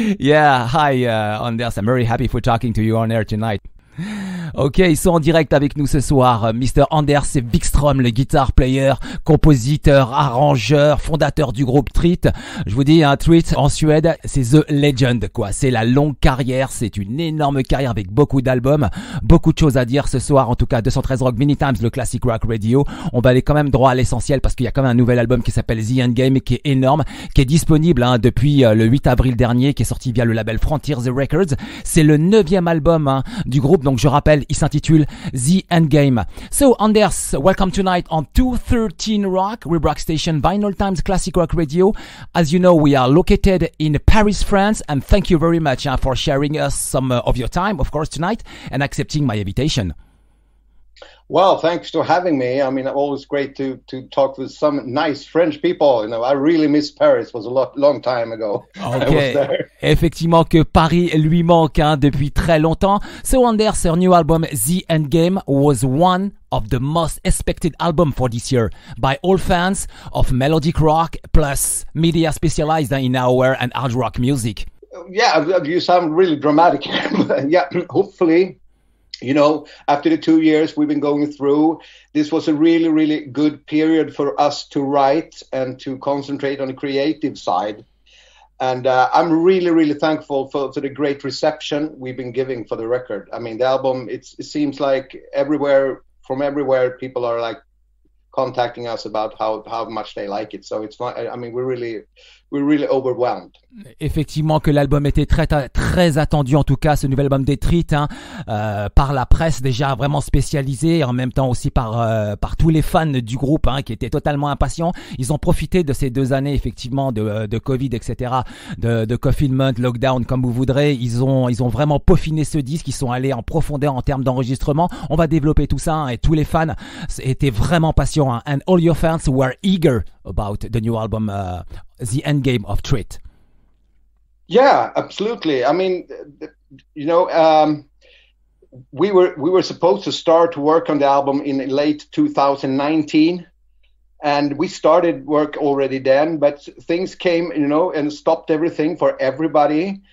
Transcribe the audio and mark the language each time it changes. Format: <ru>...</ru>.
<en>Yeah, hi Anders, I'm very happy for talking to you on air tonight.</en> <fr>Ok, ils sont en direct avec nous ce soir, Mr. Anders Wikström, le</fr> <en>guitar player,</en> <fr>compositeur, arrangeur, fondateur du groupe TREAT. Je vous dis, hein, TREAT en Suède, c'est</fr> <en>The Legend,</en> <fr>quoi. C'est la longue carrière, c'est une énorme carrière avec beaucoup d'albums, beaucoup de choses à dire ce soir, en tout cas 213 Rock Mini Times, le classic rock radio. On va aller quand même droit à l'essentiel parce qu'il y a quand même un nouvel album qui s'appelle The Endgame et qui est énorme, qui est disponible hein, depuis le 8 avril dernier, qui est sorti via le label Frontiers Records. C'est le 9e album hein, du groupe, donc je rappelle, il s'intitule The Endgame.</fr> <en>So Anders, welcome tonight on 213 Rock, Rib Rock Station, Vinylestimes Classic Rock Radio. As you know, we are located in Paris, France, and thank you very much for sharing us some of your time, of course, tonight, and accepting my invitation. Well, thanks for having me. I mean, always great to talk with some nice French people. You know, I really miss Paris. It was a long time ago. Okay.</en> <fr>Effectivement que Paris lui manque hein, depuis très longtemps.</fr> <en>So Anders, her new album, The Endgame, was one of the most expected album for this year by all fans of melodic rock plus media specialized in hour and hard rock music. Yeah, you sound really dramatic. Yeah, hopefully. You know, after the 2 years we've been going through, this was a really, really good period for us to write and to concentrate on the creative side. And I'm really, really thankful for the great reception we've been giving for the record. I mean, the album, it seems like everywhere, from everywhere, people are like contacting us about how much they like it. So it's fine. I mean, we're really overwhelmed.</en> <fr>Effectivement que l'album était très très attendu, en tout cas ce nouvel album des TREAT hein, par la presse déjà vraiment spécialisée, en même temps aussi par tous les fans du groupe hein, qui étaient totalement impatients. Ils ont profité de ces 2 années effectivement de Covid, etc., de confinement, lockdown, comme vous voudrez. Ils ont vraiment peaufiné ce disque, ils sont allés en profondeur en termes d'enregistrement. On va développer tout ça hein, et tous les fans étaient vraiment patients hein.</fr> <en>And all your fans were eager about the new album The Endgame of TREAT. Yeah, absolutely. I mean, you know, we were supposed to start to work on the album in late 2019, and we started work already then, but things came, you know, and stopped everything for everybody.</en>